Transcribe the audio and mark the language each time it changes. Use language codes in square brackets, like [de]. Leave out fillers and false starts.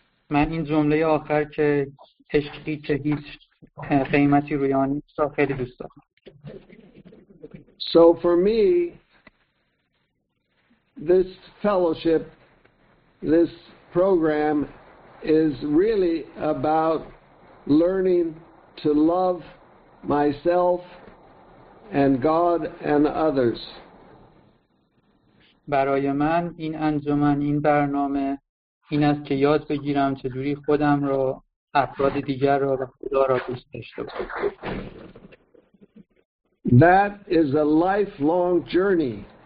[fa] من این جمله آخر که عشقی که هیچ قیمتی روی آن نیست را خیلی دوست دارم. [en] So for me, this fellowship, this program is really about learning to love myself and God and others. [fa] برای من این انجمن این برنامه این است که یاد بگیرم چجوری خودم را افراد دیگر را و خدا را دوست داشته باشم. [en] That is a lifelong journey.